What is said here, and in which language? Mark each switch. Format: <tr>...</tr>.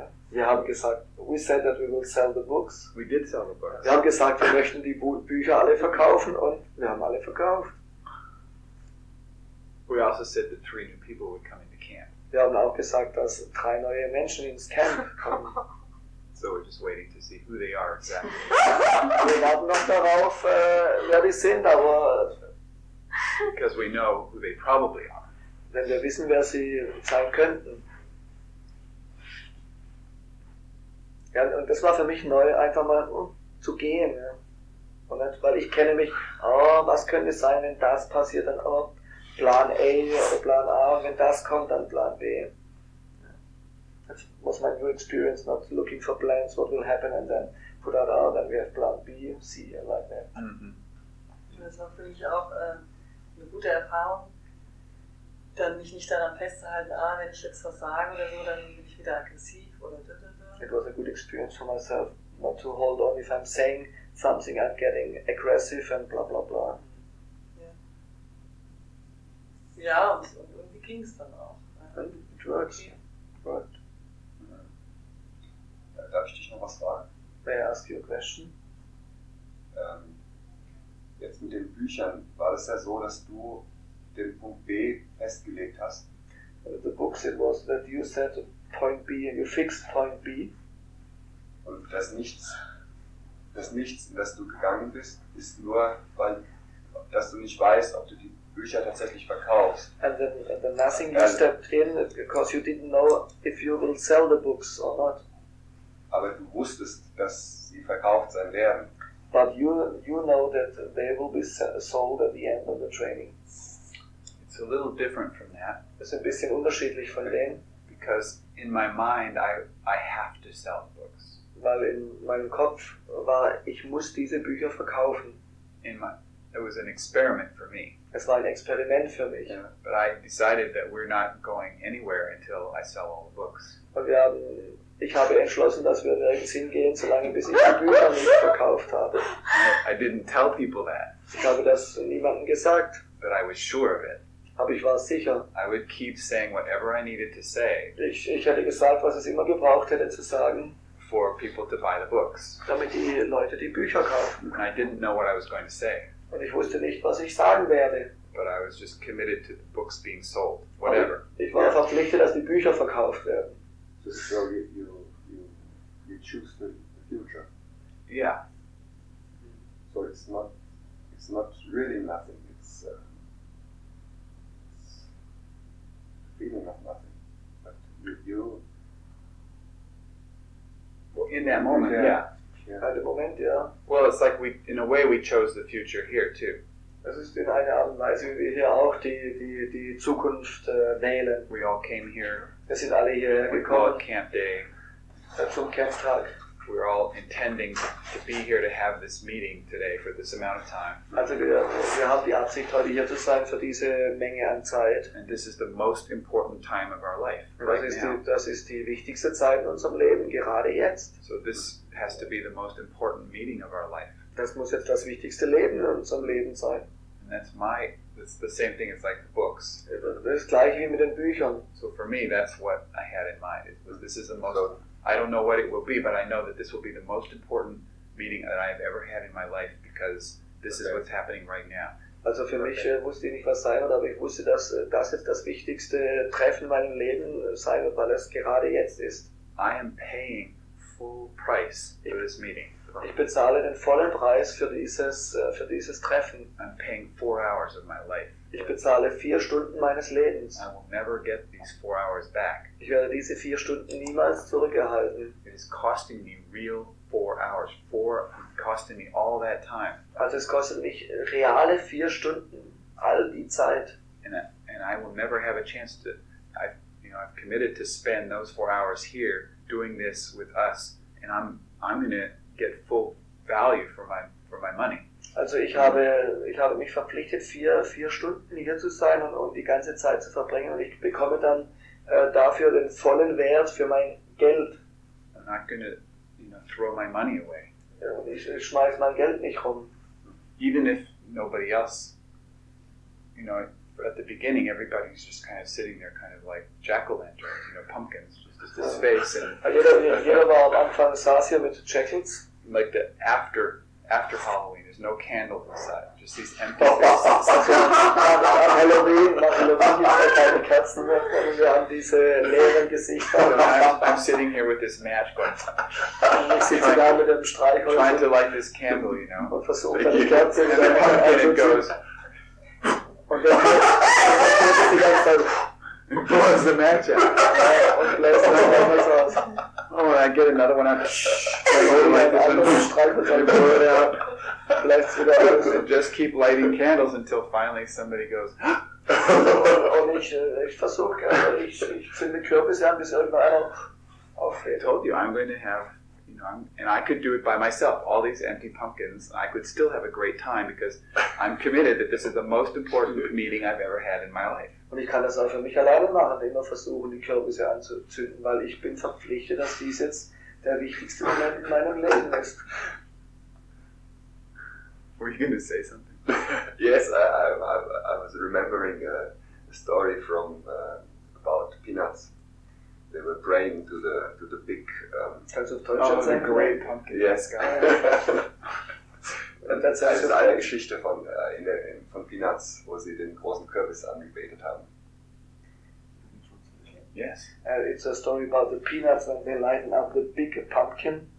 <en>We said that we will sell the books. We did sell the books.</en> <de>Wir haben gesagt, wir möchten die Bücher alle verkaufen und wir haben alle verkauft.</de> <en>We also said that three new people would come into camp.</en> <de>Wir haben auch gesagt, dass drei neue Menschen ins Camp kommen.</de> <en>So we're just waiting to see who they are exactly.</en> <de>Wir warten noch darauf, wer die sind, aber...</de> <en>Because we know who they probably are.</en> <de>Denn wir wissen, wer sie sein könnten. Ja, und das war für mich neu, einfach mal zu gehen. Ja. Und dann, weil ich kenne mich, was könnte sein, wenn das passiert, dann auch Plan A oder Plan A, und wenn das kommt, dann Plan B.</de> <en>That was my new experience, not looking for plans, what will happen, and then put out A, then we have Plan B, C, like that. Mm-hmm.</en> <de>Das war für mich auch eine gute Erfahrung, dann mich nicht daran festzuhalten, wenn ich jetzt versage oder so, dann bin ich wieder aggressiv oder da.</de> <en>It was a good experience for myself not to hold on if I'm saying something, I'm getting aggressive and blah blah blah.</en> <de>Yeah. Ja, und irgendwie ging es dann auch.</de> <en>And it works. Yeah. Right.</en> <de>Ja, darf ich dich noch was fragen?</de> <en>May I ask you a question?</en> <de>Jetzt mit den Büchern, war es ja so, dass du den Punkt B festgelegt hast?</de> <en>the books, it was that you said point B and you fixed point B.</en> <de>Und das Nichts, in das du gegangen bist, ist nur, weil, dass du nicht weißt, ob du die Bücher tatsächlich verkaufst.</de> <en>And the nothing you stepped in, because you didn't know if you will sell the books or not.</en> <de>Aber du wusstest, dass sie verkauft sein werden.</de> <en>But you know that they will be sold at the end of the training. It's a little different from that.</en> <de>Ist ein bisschen unterschiedlich von dem.</de> <en>Because in my mind I have to sell books.</en> <de>Weil in meinem Kopf war, ich muss diese Bücher verkaufen.</de> <en>In my, it was an experiment for me.</en> <de>Es war ein Experiment für mich.</de> <en>Yeah, but I decided that we're not going anywhere until I sell all the books.</en> <de>Ich habe entschlossen, dass wir nirgends hingehen, solange bis ich die Bücher nicht verkauft habe.</de> <en>I didn't tell people that.</en> <de>Ich habe das niemandem gesagt.</de> <en>But I was sure of it.</en> <de>Aber ich war sicher.</de> <en>I would keep saying whatever I needed to say.</en> <de>Ich hätte gesagt, was es immer gebraucht hätte zu sagen.</de> <en>For people to buy the books.</en> <de>Damit die Leute die Bücher kaufen.</de> <en>And I didn't know what I was going to say.</en> <de>Und ich wusste nicht, was ich sagen werde.</de> <en>But I was just committed to the books being sold. Whatever.</en> <de>Aber ich war verpflichtet, dass die Bücher verkauft werden.</de> <en>So you choose the future. Yeah. So it's not really nothing. It's feeling of nothing. But you well, in that moment, yeah. At the moment, yeah. Well, it's like we, in a way, we chose the future here too.</en> <de>Es ist in einer Art und Weise, wie wir hier auch die Zukunft wählen.</de> <en>We all came here.</en> <de>Wir sind alle hier gekommen.</de> <en>Camp Day.</en> <de>Zum Camptag.</de> <en>We're all intending to be here to have this meeting today for this amount of time.</en> <de>Also wir haben die Absicht, heute hier zu sein für diese Menge an Zeit.</de> <en>And this is the most important time of our life. Right now.</en> <de>Das ist die wichtigste Zeit in unserem Leben, gerade jetzt.</de> <en>So this has to be the most important meeting of our life.</en> <de>Das muss jetzt das wichtigste Leben in unserem Leben sein.</de> <en>And that's the same thing as like the books.</en> <de>Das gleiche wie mit den Büchern.</de> <en>So for me, that's what I had in mind. This is the most, I don't know what it will be, but I know that this will be the most important meeting that I have ever had in my life because this is what's happening right now.</en> <de>Also für mich wusste ich nicht, was sein wird, aber ich wusste, dass das jetzt das wichtigste Treffen in meinem Leben sein wird, weil es gerade jetzt ist.</de> <en>I am paying full price for this meeting.</en> <de>Ich bezahle den vollen Preis für dieses Treffen.</de> <en>I'm paying 4 hours of my life.</en> <de>Ich bezahle 4 Stunden meines Lebens.</de> <en>I will never get these 4 hours back.</en> <de>Ich werde diese 4 Stunden niemals zurückerhalten.</de> <en>It is costing me real 4 hours. Costing me all that time.</en> <de>Also es kostet mich reale 4 Stunden, all die Zeit.</de> <en>And I will never have a chance to. I've committed to spend those 4 hours here doing this with us, and I'm gonna get full value for my money.</en> <de>Also ich habe mich verpflichtet, vier Stunden hier zu sein und die ganze Zeit zu verbringen, und ich bekomme dann dafür den vollen Wert für mein Geld.</de> <en>I'm not gonna, throw my money away.</en> <de>Ja, und ich schmeiß mein Geld nicht rum.</de> <en>Even if nobody else, at the beginning everybody's just kind of sitting there kind of like jack-o'-lanterns, pumpkins. This face and</en> <de>jeder war am Anfang saß hier mit Jackets.</de> <en>Like the after Halloween, there's no candles inside, just these empty faces.</en> <de>Halloween gibt es keine Kerzen mehr, und wir haben diese leeren Gesichter.</de> <en>I'm sitting here with this match going.</en> <de>Und ich sitze da mit dem Streichholz.</de> <en>Trying to light this candle,</en> <de>Und versucht dann die Kerze.</de> <en>And then it goes.</en> <de>Und dann geht die ganze Zeit.</de> <en>It blows the match out. Oh, I get another one out. Just keep lighting candles until finally somebody goes. I told you, I'm going to have, and I could do it by myself. All these empty pumpkins, I could still have a great time because I'm committed that this is the most important meeting I've ever had in my life. Und ich kann das auch für mich alleine machen, immer versuchen, die Kürbisse anzuzünden, weil ich bin verpflichtet, dass dies jetzt der wichtigste Moment in meinem Leben ist. Were you going to say something? Yes, I was remembering a story from about peanuts. They were praying to the big.</en> <de>Also auf Deutsch hat es einen</de> <en>Great Pumpkin. Yes.</en> <de>Und das ist eine Geschichte von Peanuts, wo sie den großen Kürbis angebetet haben.</de> <en>Yes. It's a story about the peanuts and they lighten up the big pumpkin.</en>